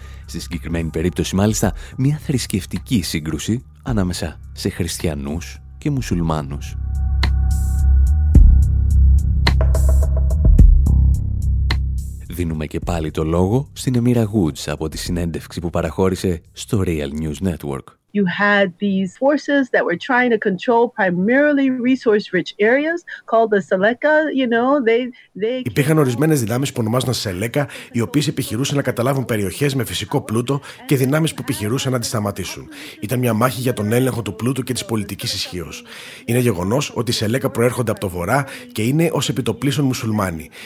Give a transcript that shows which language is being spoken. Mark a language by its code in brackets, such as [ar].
[el] Στη συγκεκριμένη περίπτωση, μάλιστα, μια θρησκευτική σύγκρουση ανάμεσα σε χριστιανούς και μουσουλμάνους. Δίνουμε και πάλι το λόγο στην Εμίρα Γουτς από τη συνέντευξη που παραχώρησε στο Real News Network. [en] You had these forces that were trying to control primarily resource-rich areas called the Seleka, you know, they [el] Υπήρχαν ορισμένες δυνάμεις που ονομάζονταν Σελέκα, οι οποίες επιχειρούσαν να καταλάβουν περιοχές με φυσικό πλούτο και δυνάμεις που επιχειρούσαν να τις σταματήσουν. Ήταν μια μάχη για τον έλεγχο του πλούτου και της πολιτικής ισχύως. Είναι γεγονός ότι οι Σελέκα προέρχονται από το βορρά και είναι ως επιτοπλίστων μουσουλμάνοι.